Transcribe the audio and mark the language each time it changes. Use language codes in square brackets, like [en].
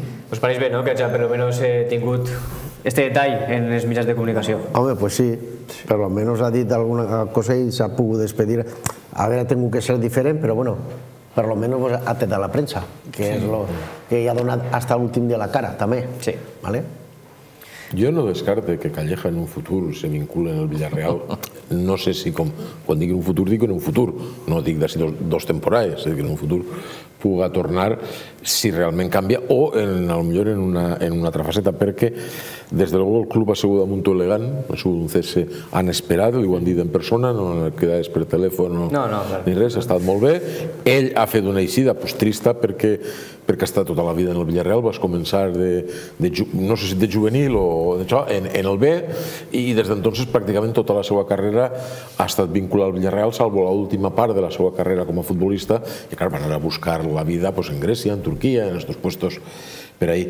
[ca] Us pareix bé, no?, que ja per lo menos he tingut este detall en els mitjans de comunicació. Home, pues sí, per lo menos ha dit alguna cosa i s'ha pogut despedir. A veure, ha tingut que ser diferent, però bueno, per lo menos ha tret a la premsa, que és lo que hi ha donat fins a l'últim dia la cara, també. Sí. Vale? [es] Yo no descarte que Calleja en un futuro se vincule en el Villarreal. No sé si, cuando digo en un futuro, digo en un futuro. No digo así dos temporadas, es decir, en un futuro pueda tornar si realmente cambia o a lo mejor en una otra faceta. Porque desde luego el club ha sido muy elegante, ha sido un cese inesperado, digo, han dicho en persona, no han quedado por teléfono no, claro. [ca] Ni res, [es] ha estado muy bien. Él ha hecho una eixida, pues trista, porque [ca] perquè està tota la vida en el Villarreal, vas començar de no sé si de juvenil o d'això, en el B, i des d'entonces pràcticament tota la seva carrera ha estat vinculada al Villarreal, salvo l'última part de la seva carrera com a futbolista, i clar, van anar a buscar la vida pues, en Grècia, en Turquia, en [es] estos puestos [ca] per ahí.